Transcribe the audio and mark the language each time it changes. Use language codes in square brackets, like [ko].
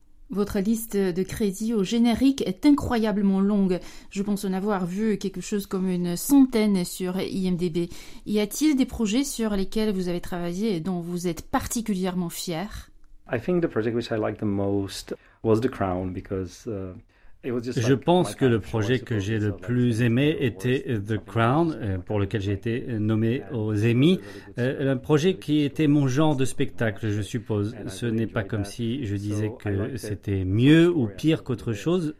[fr] Votre liste de crédits au générique est incroyablement longue. Je pense en avoir vu quelque chose comme une centaine sur IMDb. Y a-t-il des projets sur lesquels vous avez travaillé et dont vous êtes particulièrement fier? [en] I think the project which I liked the most was The Crown because [fr] Je pense que le projet que j'ai le plus aimé était The Crown, pour lequel j'ai été nommé aux Emmy. Un projet qui était mon genre de spectacle, je suppose. Ce n'est pas comme si je disais que c'était mieux ou pire qu'autre chose.